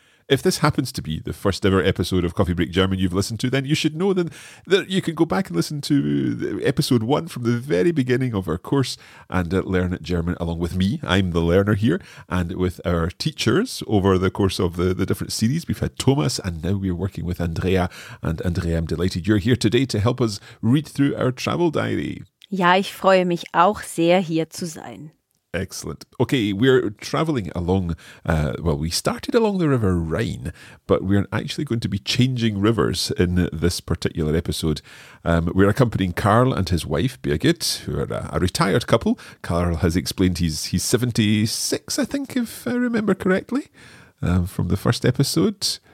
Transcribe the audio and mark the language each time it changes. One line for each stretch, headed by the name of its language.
English: If this happens to be the first ever episode of Coffee Break German you've listened to, then you should know that you can go back and listen to episode one from the very beginning of our course and learn German along with me. I'm the learner here, and with our teachers over the course of the different series. We've had Thomas, and now we're working with Andrea. And Andrea, I'm delighted you're here today to help us read through our travel diary.
German: Ja, ich freue mich auch sehr, hier zu sein.
English: Excellent. Okay, we're traveling along, we started along the River Rhine, but we're actually going to be changing rivers in this particular episode. We're accompanying Karl and his wife, Birgit, who are a retired couple. Karl has explained he's 76, I think, if I remember correctly, from the first episode.